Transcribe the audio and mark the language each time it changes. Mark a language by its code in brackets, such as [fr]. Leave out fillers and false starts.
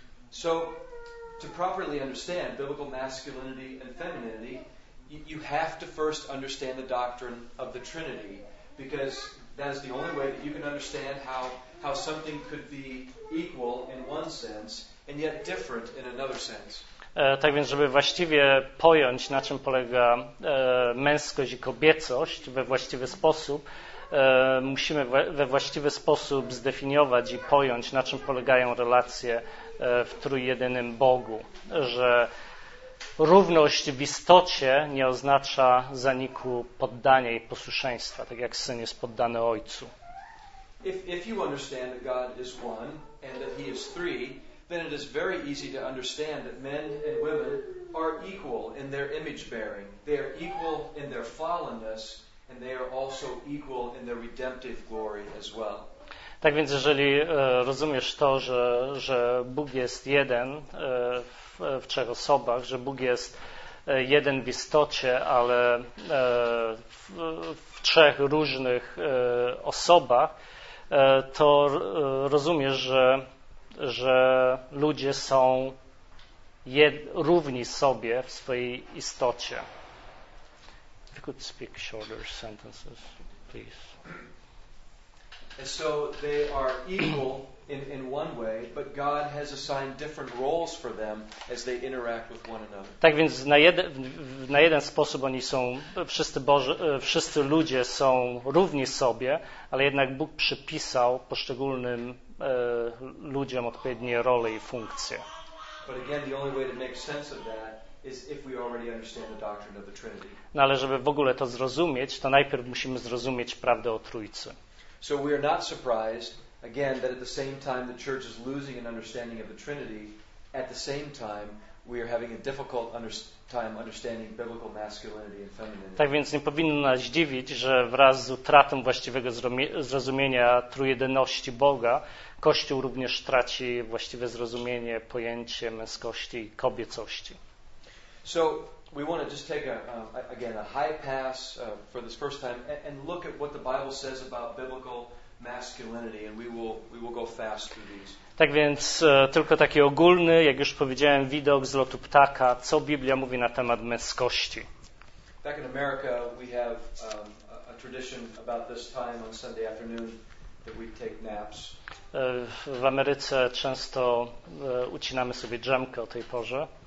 [en] So, to properly understand biblical masculinity and femininity, you have to first understand the doctrine of the Trinity, because that is the only way that you can understand how something could be equal in one sense and yet different in another sense. [pl] Tak więc, żeby właściwie pojąć, na czym polega męskość i kobiecość we właściwy sposób, musimy we właściwy sposób zdefiniować i pojąć, na czym polegają relacje w trójjedynym Bogu, że równość w istocie nie oznacza zaniku poddania i posłuszeństwa, tak jak syn jest poddany ojcu. [en] If you understand that God is one and that he is three, then it is very easy to understand that men and women are equal in their image bearing. They are equal in their fallenness and they are also equal in their redemptive glory as well. [pl] Tak więc, jeżeli rozumiesz to, że Bóg jest jeden w trzech osobach, że Bóg jest jeden w istocie, ale w trzech różnych osobach, to rozumiesz, że ludzie są równi sobie w swojej istocie. [en] If you could speak shorter sentences, please. And so they are equal in one way, but God has assigned different roles for them as they interact with one another. [pl] Tak więc na jeden sposób oni są wszyscy ludzie są równi sobie, ale jednak Bóg przypisał poszczególnym ludziom odpowiednie role i funkcje. [en] But again, the only way to make sense of that is if we already understand the doctrine of the Trinity. [pl] No, ale żeby w ogóle to zrozumieć, to najpierw musimy zrozumieć prawdę o Trójcy. [en] So we are not surprised, again, that at the same time the church is losing an understanding of the Trinity, at the same time we are having a difficult time understanding biblical masculinity and femininity. [pl] Tak więc nie powinno nas dziwić, że wraz z utratą właściwego zrozumienia trójjedności Boga, Kościół również traci właściwe zrozumienie, pojęcie męskości i kobiecości. [en] So we want to just take a high pass for this first time and look at what the Bible says about biblical masculinity, and we will go fast through these. [pl] Tak więc tylko taki ogólny, jak już powiedziałem, widok z lotu ptaka, co Biblia mówi na temat męskości. [en] Back in America we have a tradition about this time on Sunday afternoon that we take naps. [pl] W Ameryce często ucinamy sobie drzemkę o tej porze.